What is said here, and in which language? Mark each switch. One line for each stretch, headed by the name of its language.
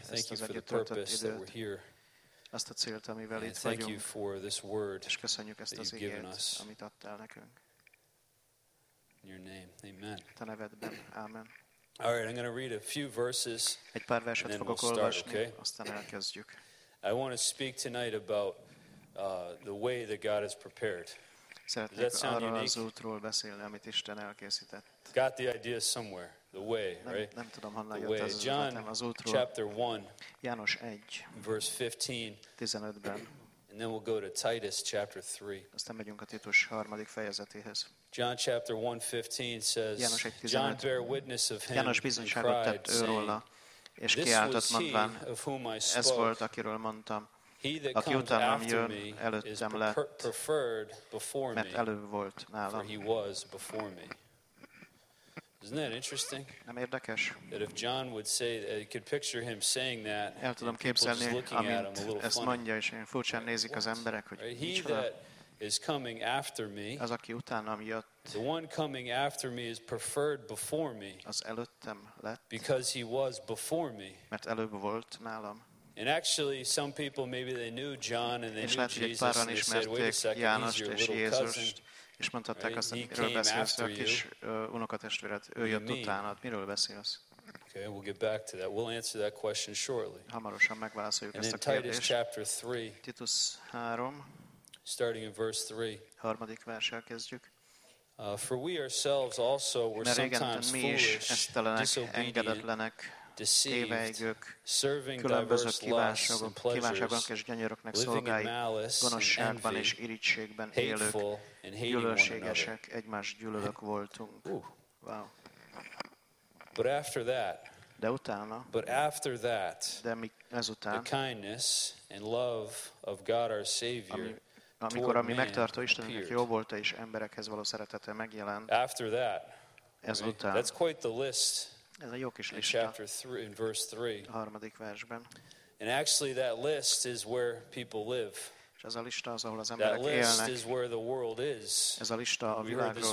English: Thank you for the purpose that we're here.
Hungarian: Azt a célt, amivel itt vagyunk.
English: Thank you for this word.
Hungarian: És köszönjük ezt az igét, amit adtál nekünk.
English: In your name. Amen.
Hungarian: Te nevedben. Amen.
English: All right, I'm going to read a few verses.
Hungarian: Egy pár verset fogok olvasni, okay? Aztán elkezdjük.
English: I want to speak tonight about the way that God has prepared.
Hungarian: Szeretnék arra az útról beszélni, amit Isten elkészített.
English: Got the idea somewhere. The way, right?
Hungarian: Nem tudom, honnan jött ez az útról.
English: Chapter 1.
Hungarian: János 1.
English: Verse 15.
Hungarian: 15-ben.
English: And then we'll go to Titus chapter 3.
Hungarian: Aztán megyünk a Titus harmadik fejezetéhez.
English: John chapter 1:15 says,
Hungarian: János 1:15.
English: John bear witness of him.
Hungarian: János bizonyságot tett ő róla, és kiáltott mondván, ez volt, akiről mondtam, aki utánam jön, előttem lett, mert előbb volt nálam.
English: For he was before me. Isn't that interesting?
Hungarian: Nem érdekes?
English: That if John would say, I could picture him saying that.
Hungarian: El tudom képzelni, amint ezt mondja, és én furcsán nézik az emberek, hogy
English: he that is coming after me.
Hungarian: Az, aki utánam jött.
English: The one coming after me is preferred before me.
Hungarian: Az előttem lett.
English: Because he was before me.
Hungarian: Mert előbb volt nálam.
English: And actually, some people maybe they knew John and they knew Jesus.
Hungarian: És lehet, hogy egy páran ismerték Jánost és Jézust. És mondhatták azt, miről beszélsz, a kis unokatestvéred, ő jött utánad, miről beszélsz?
English: Okay, we'll get back to that. We'll answer that question shortly.
Hungarian: Hamarosan megválaszoljuk ezt a kérdést.
English: And then Titus chapter 3.
Hungarian: Titus 3.
English: Starting in verse 3.
Hungarian: Harmadik verssel kezdjük.
English: For we ourselves also were sometimes foolish, disobedient,
Hungarian: tévejgők, különböző kívánságok és gyönyöröknek szolgái, gonoszságban és irigységben élők, gyűlölségesek, egymás gyűlölök voltunk. Wow.
English: But after that,
Hungarian: de utána,
English: but after that,
Hungarian: de ezután,
English: the kindness and love of God our Savior,
Hungarian: amikor a mi megtartó Istenünk jó volt és emberekhez való szeretete megjelent,
English: after that,
Hungarian: ezután,
English: that's quite the list.
Hungarian: Ez a jó kis lista.
English: In chapter 3, in verse 3.
Hungarian: A harmadik versben.
English: And actually that list is where people live.
Hungarian: És ez a lista az, ahol az emberek
English: that list
Hungarian: élnek.
English: Is where the world is.
Hungarian: Ez a lista a világról szól.